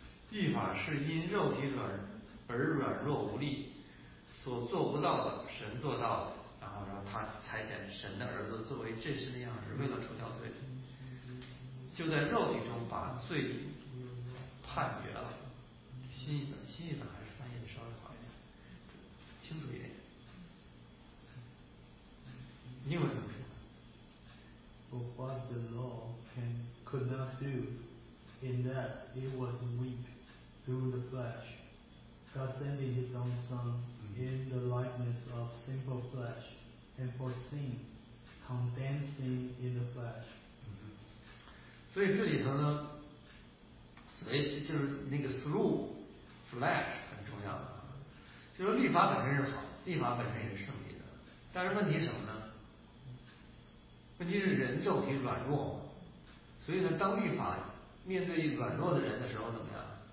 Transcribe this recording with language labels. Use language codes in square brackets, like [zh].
[zh] 律法是因肉体软而软弱无力，所做不到的，神做到了，然后他裁减神的儿子作为这身的样式，为了除掉罪，就在肉体中把罪判决了。新一本还是翻译的稍微好一点，清楚一点。你有什么说 [en] ？What the law can could not do, in that it was weak through the flesh, God sending His own Son in the likeness of sinful flesh, and for sin, condemned sin in the flesh. [zh] 所以这里头呢，所以就是那个 flesh 很重要的，就是律法本身是好，律法本身也是胜利的，但是问题什么呢？问题是人肉体软弱，所以呢，当律法面对软弱的人的时候，怎么样？